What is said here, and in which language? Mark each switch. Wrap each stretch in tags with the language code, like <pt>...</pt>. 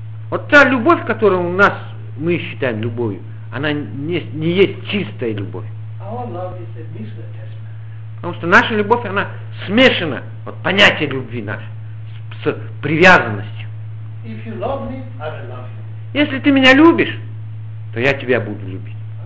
<ru>Вот та любовь, которую мы считаем любовью, она не есть чистая любовь.</ru> <en>Our love is a mixed attachment.</en> <ru>Потому что наша любовь, она смешана, вот понятие любви наше, с привязанностью.</ru> <en>If you love me, I will love you.</en> <ru>Если ты меня любишь, то я тебя буду любить.</ru>